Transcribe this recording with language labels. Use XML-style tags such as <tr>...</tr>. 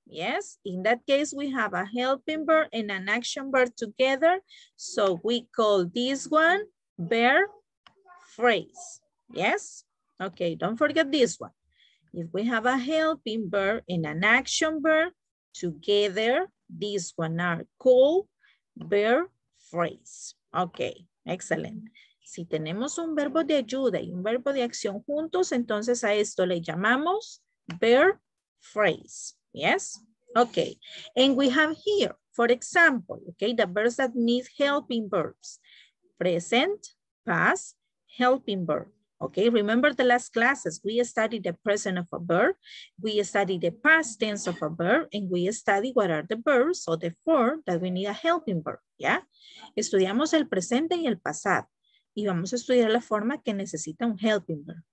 <en>Yes, in that case we have a helping verb and an action verb together, so we call this one verb phrase. Yes, okay, don't forget this one. If we have a helping verb and an action verb together, this one are called verb phrase. Okay, excellent.</en> <es>Si tenemos un verbo de ayuda y un verbo de acción juntos, entonces a esto le llamamos verb phrase.</es> <en>Yes? Okay. And we have here, for example, okay, the verbs that need helping verbs. Present, past, helping verb. Okay, remember the last classes. We studied the present of a verb. We studied the past tense of a verb. And we studied what are the verbs or the form that we need a helping verb. Yeah?</en> <es>Estudiamos el presente y el pasado. Y vamos a estudiar la forma que necesita un helping verb.</es>